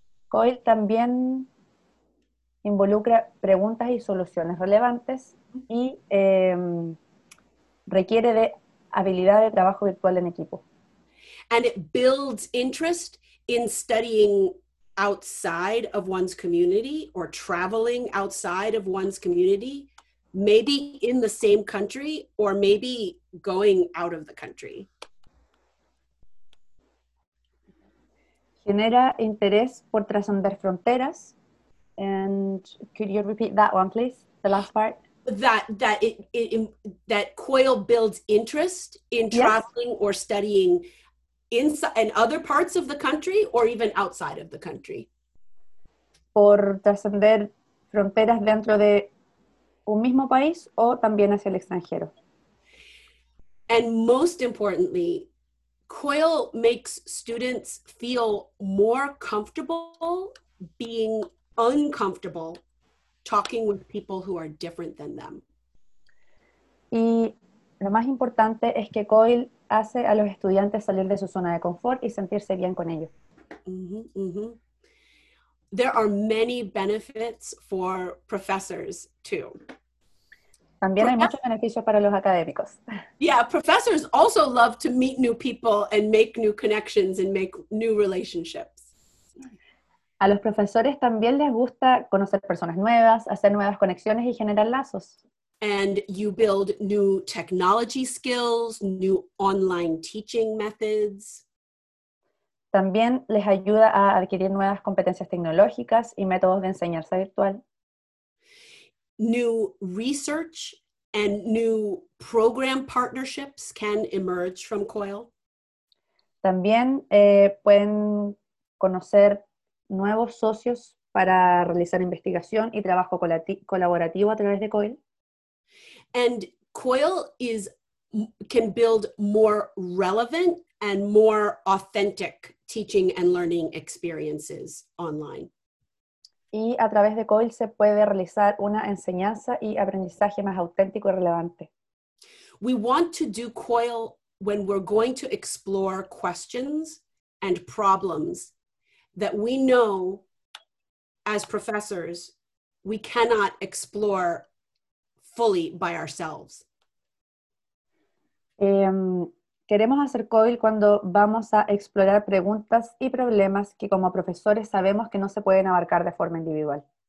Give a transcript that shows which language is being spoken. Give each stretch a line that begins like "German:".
Spanish: COIL también involucra preguntas y soluciones relevantes y requiere de habilidad de trabajo virtual en equipo.
English: And it builds interest in studying outside of one's community or traveling outside of one's community, maybe in the same country or maybe going out of the country.
Spanish: Genera interés por trascender fronteras.
English: And could you repeat that one, please? The last part. That COIL builds interest in traveling or studying inside and other parts of the country or even outside of the country.
Spanish: Por trascender fronteras dentro de un mismo país o también hacia el extranjero.
English: And most importantly, COIL makes students feel more comfortable being uncomfortable talking with people who are different than them.
Spanish: Y lo más importante es que COIL hace a los estudiantes salir de su zona de confort y sentirse bien con ellos.
English: There are many benefits for professors too.
Spanish: También hay muchos beneficios para los académicos.
English: Yeah, professors also love to meet new people and make new connections and make new relationships.
Spanish: A los profesores también les gusta conocer personas nuevas, hacer nuevas conexiones y generar lazos.
English: And you build new technology skills, new online teaching methods.
Spanish: También les ayuda a adquirir nuevas competencias tecnológicas y métodos de enseñanza virtual.
English: New research and new program partnerships can emerge from COIL.
Spanish: También pueden conocer nuevos socios para realizar investigación y trabajo colaborativo a través de COIL.
English: And COIL can build more relevant and more authentic teaching and learning experiences online.
Spanish: Y a través de COIL se puede realizar una enseñanza y aprendizaje más auténtico y relevante.
English: We want to do COIL when we're going to explore questions and problems that we know as professors we cannot explore fully by ourselves.
Spanish: Queremos hacer COIL cuando vamos a explorar preguntas y problemas que como profesores sabemos que no se pueden abarcar de forma individual.